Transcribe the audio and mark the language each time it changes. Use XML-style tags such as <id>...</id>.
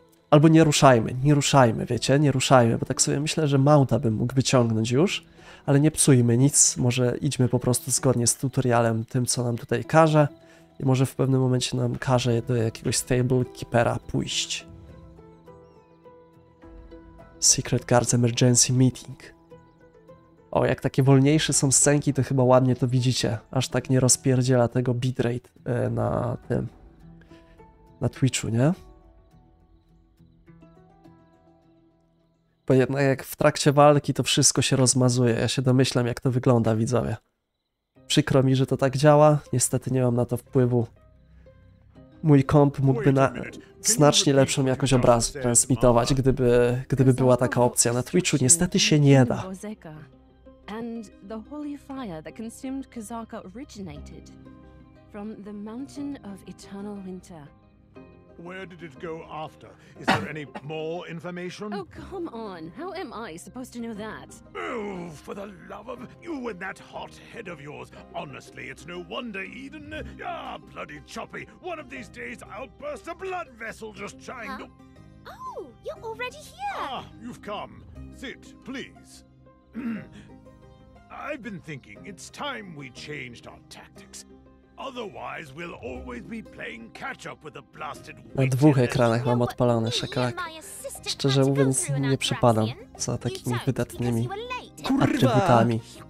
<pl>Albo nie ruszajmy, nie ruszajmy, wiecie? Nie ruszajmy, bo tak sobie myślę, że Mauta bym mógł wyciągnąć już. Ale nie psujmy nic. Może idźmy po prostu zgodnie z tutorialem, tym, co nam tutaj każe. I może w pewnym momencie nam każe do jakiegoś stable keepera pójść.</pl> <en>Secret Guards Emergency Meeting.</en> <pl>O, jak takie wolniejsze są scenki, to chyba ładnie to widzicie. Aż tak nie rozpierdziela tego bitrate na tym... na Twitchu, nie? Bo jednak jak w trakcie walki to wszystko się rozmazuje. Ja się domyślam, jak to wygląda, widzowie. Przykro mi, że to tak działa. Niestety nie mam na to wpływu. Mój komp mógłby na znacznie lepszą jakość obrazu transmitować, gdyby była taka opcja. Na Twitchu niestety się nie da.</pl> <en>And the holy fire that consumed Kazaka originated from the mountain of eternal winter. Where did it go after? Is there any more information? Oh, come on. How am I supposed to know that? Oh, for the love of you and that hot head of yours. Honestly, it's no wonder Eden. Ah, bloody choppy. One of these days I'll burst a blood vessel just trying to... Oh, you're already here. Ah, you've come. Sit, please. I've been thinking it's time we changed our tactics. Otherwise we'll always be playing catch up with the blasted witch.</en> <pl>Na dwóch ekranach mam odpalone szakalak. Szczerze mówiąc, nie przepadam za takimi wydatnymi atrybutami.</pl>